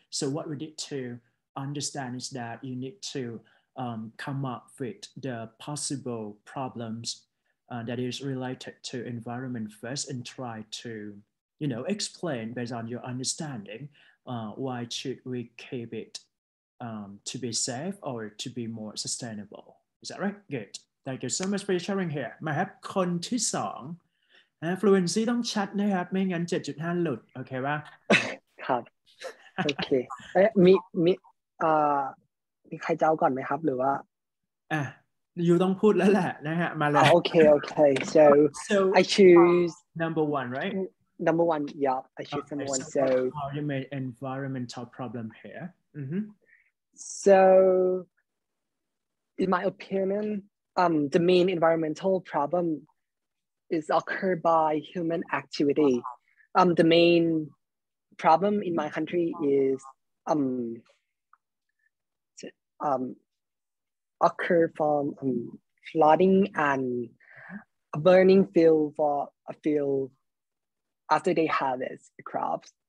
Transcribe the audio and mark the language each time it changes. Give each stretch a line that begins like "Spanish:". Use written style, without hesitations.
English: So what we need to understand is that you need to come up with the possible problems that is related to environment first, and try to explain based on your understanding why should we keep it to be safe or to be more sustainable. Is that right? Good. Thank you so much for your sharing here.
Thai: มาครับคนที่สอง fluency ต้องชัดนะครับไม่งั้น 7.5 หลุดโอเคป่ะ ครับโอเคมีใครเจ้าก่อนไหมครับหรือว่า อยู่ต้องพูดแล้วแหละนะฮะมาแล้ว
English: โอเคโอเค so I choose number one right number one yup I choose okay, number one so how you made environmental problem here So in my opinion, the main environmental problem is occurred by human activity. The main problem in my country is occur from flooding and a burning field for a field after they harvest crops.